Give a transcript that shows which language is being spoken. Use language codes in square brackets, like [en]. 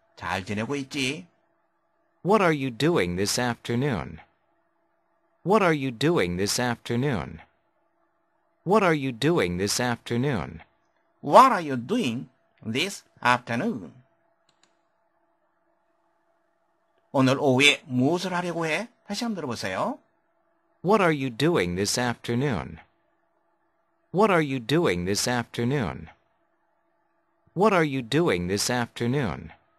[ko] 잘 지내고 있지? [en] What are you doing this afternoon? What are you doing this afternoon? What are you doing this afternoon? What are you doing this afternoon? [ko] 오늘 오후에 무엇을 하려고 해? 다시 한번 들어보세요. [en] What are you doing this afternoon? What are you doing this afternoon? What are you doing this afternoon?